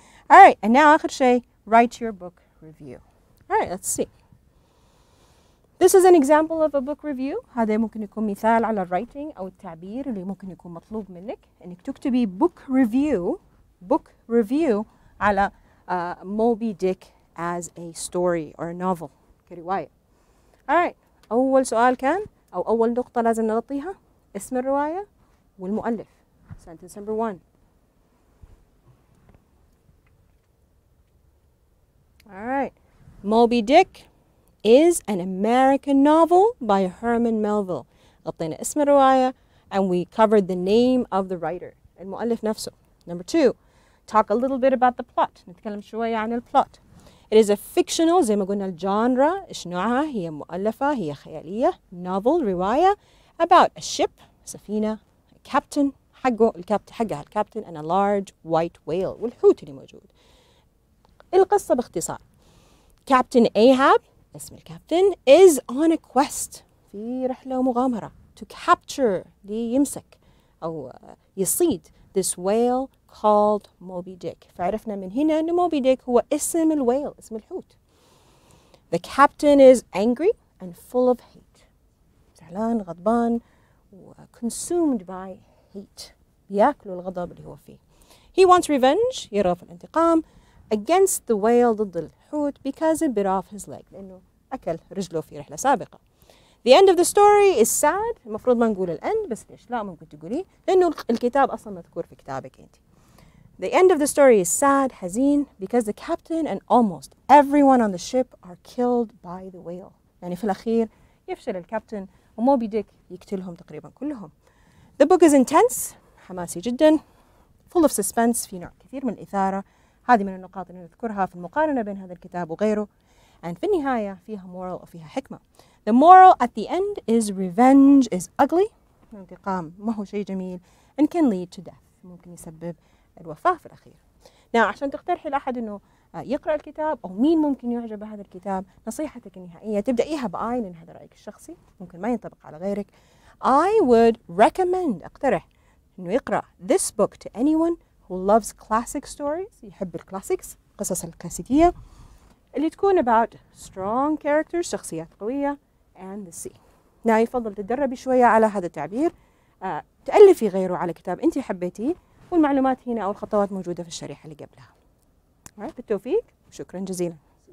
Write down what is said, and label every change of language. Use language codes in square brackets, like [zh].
[en] All right, and now [ar] آخر شيء, [en] write your book review. All right, let's see. This is an example of a book review. [ar] هذا ممكن يكون مثال على writing أو التعبير اللي ممكن يكون مطلوب منك إنك تكتبي book review على Moby Dick [en] as a story or a novel, [ar] كرواية. [en] All right. [ar] أول سؤال كان, أو أول نقطة لازم نغطيها, اسم الرواية والمؤلف. [en] Sentence number one. All right. Moby Dick is an American novel by Herman Melville. [ar] غطينا اسم الرواية, [en] and we covered the name of the writer, [ar] المؤلف نفسه. [en] Number two, talk a little bit about the plot. [ar] نتكلم شوية عن الplot. [en] It is a fictional, [ar] زي ما قلنا الجانرا, إيش نوعها, هي مؤلفة, هي خيالية, novel, رواية, [en] about a ship, [ar] سفينة, a captain, الكابتن, [en] and a large white whale, [ar] والحوت اللي موجود. القصة باختصار. [en] Captain Ahab, اسم الكابتن, is on a quest, [ar] في رحلة ومغامرة, [en] to capture, [ar] ليمسك, أو يصيد, [en] this whale called Moby Dick. [ar] فعرفنا من هنا أن Moby Dick هو اسم الويل, اسم الحوت. [en] The captain is angry and full of hate. [ar] زعلان, غضبان, [en] consumed by hate. [ar] بيأكل الغضب اللي هو فيه. [en] He wants revenge, [ar] يرغب في الانتقام, [en] against the whale, [ar] ضد الحوت, [en] because it bit off his leg, [ar] لأنه أكل رجله في رحلة سابقة. [en] The end of the story is sad. [ar] المفروض ما نقول ال end بس ليش لا ممكن تقولي لأنه الكتاب أصلا مذكور في كتابك أنت. [en] The end of the story is sad, حزين, because the captain and almost everyone on the ship are killed by the whale. [ar] يعني في الأخير يفشل الكابتن وموبي ديك يقتلهم تقريبا كلهم. [en] The book is intense, [ar] حماسي جدا, [en] full of suspense, [ar] في نوع كثير من الإثارة. هذه من النقاط اللي نذكرها في المقارنة بين هذا الكتاب وغيره. And في النهاية فيها moral وفيها حكمة. [en] The moral at the end is revenge is ugly. [ar] الانتقام ما هو شيء جميل [en] and can lead to death. [ar] ممكن يسبب الوفاة في الأخير. Now, عشان تقترحي لأحد أنه يقرأ الكتاب أو مين ممكن يعجب هذا الكتاب نصيحتك النهائية تبدأيها بآي لأن هذا رأيك الشخصي ممكن ما ينطبق على غيرك. [en] I would recommend [ar] أقترح أنه يقرأ [en] this book to anyone who loves classic stories [ar] يحب الكلاسيكس قصص الكلاسيكية اللي تكون [en] about strong characters [ar] شخصيات قوية [en] and the sea. [ar] Now, يفضل تدربي شوية على هذا التعبير تألفي غيره على كتاب أنت حبيتي والمعلومات هنا أو الخطوات موجودة في الشريحة اللي قبلها. بالتوفيق وشكرا جزيلا.